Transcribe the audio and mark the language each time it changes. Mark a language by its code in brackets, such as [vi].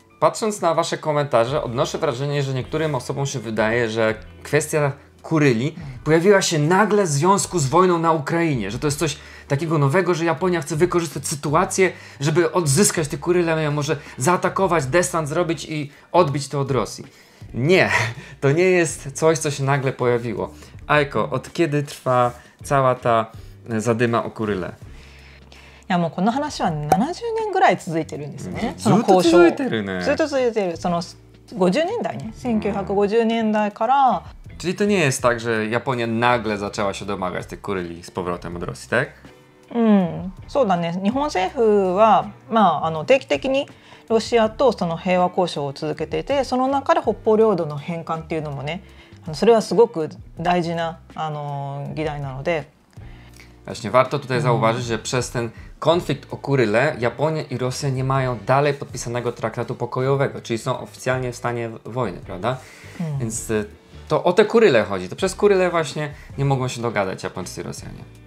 [pl] Patrząc na wasze komentarze, odnoszę wrażenie, że niektórym osobom się wydaje, że kwestia Kuryli pojawiła się nagle w związku z wojną na Ukrainie, że to jest coś takiego nowego, że Japonia chce wykorzystać sytuację, żeby odzyskać te Kuryle, a może zaatakować, desant zrobić i odbić to od Rosji. Nie, to nie jest coś, co się nagle pojawiło. Aiko, od kiedy trwa cała ta zadyma o Kuryle? [ja] いやもうこの話は70年ぐらい続いてるんですね、うん、その交渉ずっと続いてるねずっと続いてるその50年代ね1950年代から、うん、 [pl] czyli to nie jest tak, że Japonia nagle zaczęła się domagać tych kuryli z powrotem od Rosji, tak? [ja] うん、そうだね日本政府は、まあ、あの定期的にロシアとその平和交渉を続けていてその中で北方領土の返還っていうのもねそれはすごく大事なあの議題なので [pl] właśnie warto tutaj zauważyć, że przez ten konflikt o Kuryle Japonia i Rosja nie mają dalej podpisanego traktatu pokojowego, czyli są oficjalnie w stanie wojny, prawda? Więc to o te Kuryle chodzi. To przez Kuryle właśnie nie mogą się dogadać Japończycy i Rosjanie.